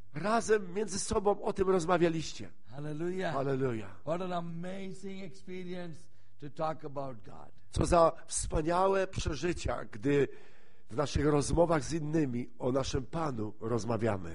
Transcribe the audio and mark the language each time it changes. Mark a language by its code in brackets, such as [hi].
[pl] Razem między sobą o tym rozmawialiście. Hallelujah. [en] What an amazing experience to talk about God. [pl] Co za wspaniałe przeżycia, gdy w naszych rozmowach z innymi o naszym Panu rozmawiamy.